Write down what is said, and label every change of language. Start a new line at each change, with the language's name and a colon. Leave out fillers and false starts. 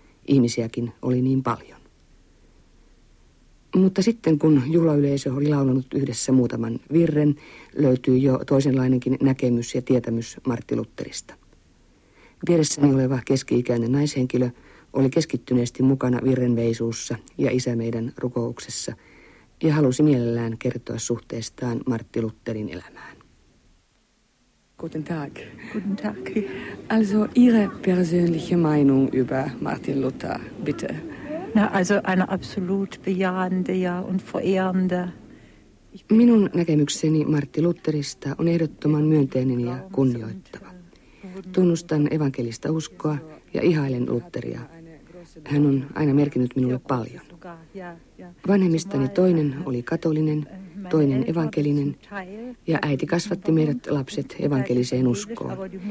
Finnish: Ihmisiäkin oli niin paljon. Mutta sitten, kun juhlayleisö oli laulanut yhdessä muutaman virren, löytyi jo toisenlainenkin näkemys ja tietämys Martti Lutherista. Vieressäni oleva keski-ikäinen naishenkilö oli keskittyneesti mukana virrenveisuussa ja isä meidän rukouksessa. ja halusi mielellään kertoa suhteestaan Martti Lutherin elämään.
German: Guten Tag. Guten Tag. Also Ihre persönliche Meinung über Martin Luther, bitte. Na, also eine absolut bejahende ja und verehrende.
Finnish: Minun näkemykseni Martti Lutherista on ehdottoman myönteinen ja kunnioittava. Tunnustan evankelista uskoa ja ihailen Lutheria. Hän on aina merkinnyt minulle paljon. Vanhemmistani toinen oli katolinen, toinen evankelinen, ja äiti kasvatti meidät lapset evankeliseen uskoon.